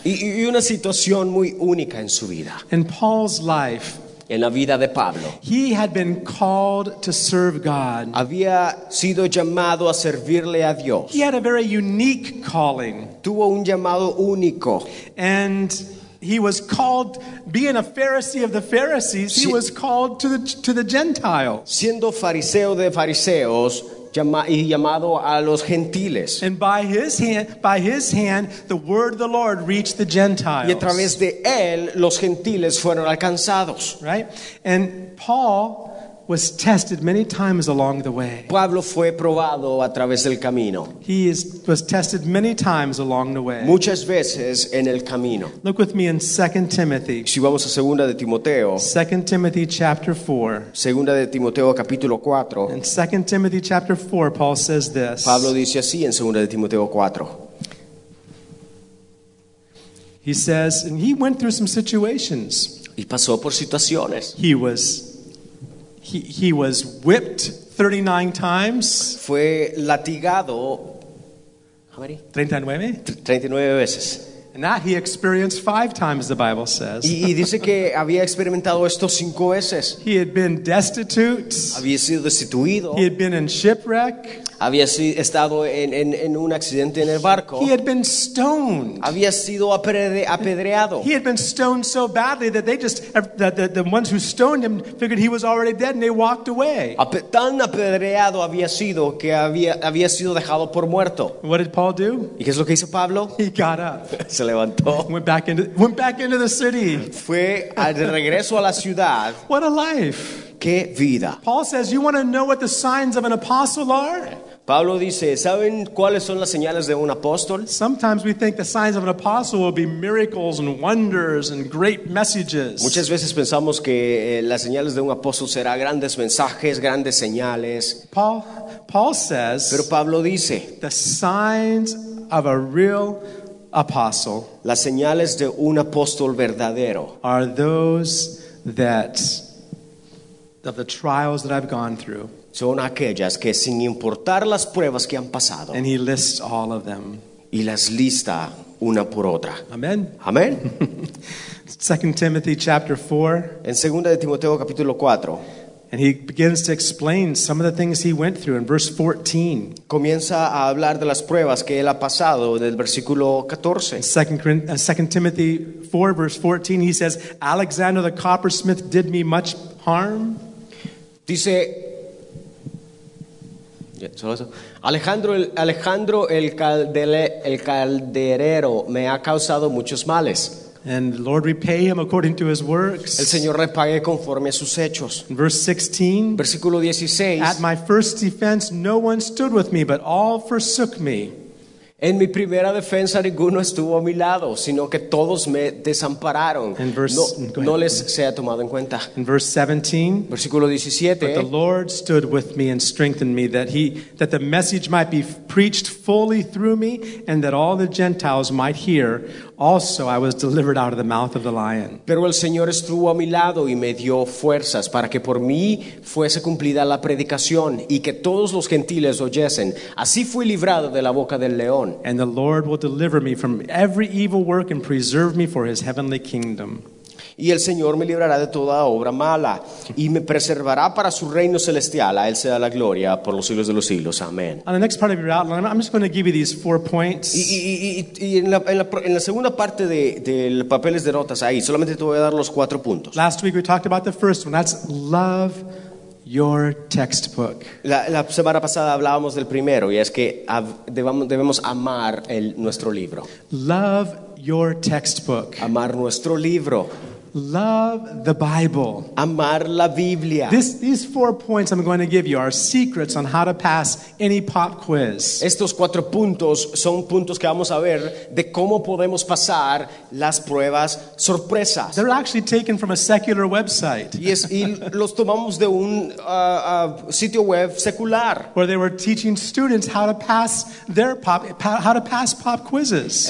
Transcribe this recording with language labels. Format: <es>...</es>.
<es>Y una situación muy única en su vida.</es> <en>In Paul's life.</en> <es>En la vida de Pablo.</es> <en>He had been called to serve God.</en> <es>Había sido llamado a servirle a Dios.</es> <en>He had a very unique calling.</en> <es>Tuvo un llamado único.</es> <en>And He was called, being a Pharisee of the Pharisees, he was called to the Gentiles.</en> <es>Siendo fariseo de fariseos, llamado a los gentiles.</es> <en>And by his hand, the word of the Lord reached the Gentiles.</en> <es>Y a través de él, los gentiles fueron alcanzados.</es> <en>Right? And Paul was tested many times along the way.</en> <es>Pablo fue probado a través del camino.</es> <en>He was tested many times along the way.</en> <es>Muchas veces en el camino.</es> <en>Look with me in 2 Timothy.</en> <es>Si vamos a segunda de Timoteo.</es> <en>2 Timothy chapter 4.</en> <es>Segunda de Timoteo capítulo 4.</es> <en>In 2 Timothy chapter 4, Paul says this.</en> <es>Pablo dice así en segunda de Timoteo 4.</es> <en>He says, and he went through some situations.</en> <es>Y pasó por situaciones.</es> <en>He was whipped 39 times.</en> <es>Fue latigado 39 veces.</es> <en>And that he experienced 5 times, the Bible says.</en> <es>Y dice que había experimentado esto 5 veces.</es> <en>He had been destitute.</en> <es>Había sido destituido.</es> <en>He had been in shipwreck.</en> <es>Había estado en un accidente en el barco.</es> <en>He had been stoned.</en> <es>Había sido apedreado.</es> <en>He had been stoned so badly that they just the ones who stoned him figured he was already dead and they walked away.</en> <es>Tan apedreado había sido que había sido dejado por muerto.</es> <en>What did Paul do?</en> <es>¿Y qué es lo que hizo Pablo?</es> <en>He got up.</en> <es>Se levantó.</es> <en>Went back into the city.</en> <es>Fue de regreso a la ciudad.</es> <en>What a life.</en> <es>¿Qué vida?</es> <en>Paul says, you want to know what the signs of an apostle are?</en> <es>Pablo dice, ¿saben cuáles son las señales de un apóstol?</es> <en>Sometimes we think the signs of an apostle will be miracles and wonders and great messages.</en> <es>Muchas veces pensamos que las señales de un apóstol serán grandes mensajes, grandes señales.</es> <en>Paul says,</en> <es>pero Pablo dice,</es> <en>the signs of a real apostle,</en> <es>las señales de un apóstol verdadero,</es> <en>are those that of the trials that I've gone through.</en> <es>Son aquellas que sin importar las pruebas que han pasado.</es> <en>And he lists all of them.</en> <es>Y las lista una por otra.</es> <en>Amen.</en> <es>Amen.</es> <en>2 Timothy chapter 4.</en> <es>En segunda de Timoteo capítulo 4.</es> <en>And he begins to explain some of the things he went through in verse 14.</en> <es>Comienza a hablar de las pruebas que él ha pasado en el versículo 14.</es> <en>Second Timothy 4 verse 14, he says, Alexander the coppersmith did me much harm.</en> <es>Dice, Alejandro el calderero me ha causado muchos males.</es> <en>And the Lord repay him according to his works.</en> <es>El Señor repague conforme a sus hechos.</es> <en>Verse 16.</en> <es>Versículo 16.</es> <en>At my first defense, no one stood with me, but all forsook me.</en> <es>En mi primera defensa, ninguno estuvo a mi lado, sino que todos me desampararon. No les sea tomado en cuenta.</es> <en>In verse 17.</en> <es>Versículo 17.</es> <en>But the Lord stood with me and strengthened me, that the message might be preached fully through me, and that all the Gentiles might hear. Also, I was delivered out of the mouth of the lion.</en> <es>Pero el Señor estuvo a mi lado y me dio fuerzas para que por mí fuese cumplida la predicación y que todos los gentiles oyesen. Así fui librado de la boca del león.</es> <en>And the Lord will deliver me from every evil work and preserve me for his heavenly kingdom.</en> <es>Y el Señor me librará de toda obra mala y me preservará para su reino celestial. A él sea la gloria por los siglos de los siglos. Amén.</es> <en>On the next part of your outline, I'm just going to give you these 4 points.</en> <es>Y en la segunda parte del papel de notas ahí, solamente te voy a dar los 4 puntos.</es> <en>Last week we talked about the first one. That's love your textbook.</en> <es>La semana pasada hablábamos del primero y es que debemos amar nuestro libro.</es> <en>Love your textbook.</en> <es>Amar nuestro libro.</es> <en>Love the Bible.</en> <es>Amar la Biblia.</es> <en>These 4 points I'm going to give you are secrets on how to pass any pop quiz.</en> <es>Estos 4 puntos son puntos que vamos a ver de cómo podemos pasar las pruebas sorpresas.</es> <en>They're actually taken from a secular website. Yes,</en> <es>y los tomamos de un sitio web secular.</es> <en>Where they were teaching students how to pass pop quizzes.</en>